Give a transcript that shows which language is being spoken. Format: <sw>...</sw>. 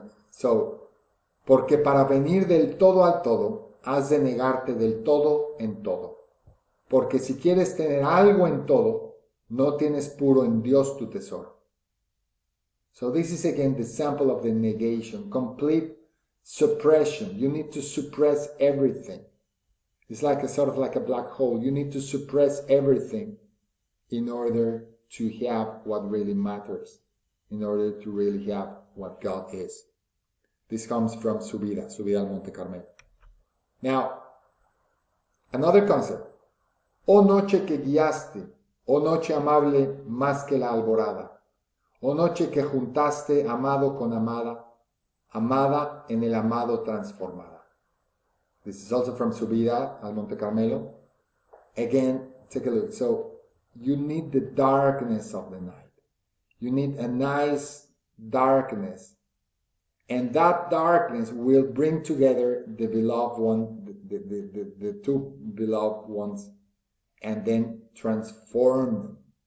<es>So, porque para venir del todo al todo, has de negarte del todo en todo. Porque si quieres tener algo en todo, no tienes puro en Dios tu tesoro.</es> <en>So this is again the sample of the negation, complete suppression. You need to suppress everything. It's like a sort of like a black hole. You need to suppress everything in order to have what really matters, in order to really have what God is. This comes from Subida al Monte Carmel. Now, another concept.</en> <es>O noche que guiaste, o noche amable más que la alborada. O noche que juntaste amado con amada, amada en el amado transformada.</es> <en>This is also from Subida al Monte Carmelo. Again, take a look. So, you need the darkness of the night. You need a nice darkness. And that darkness will bring together the beloved one, the two beloved ones, and then transform them.</en>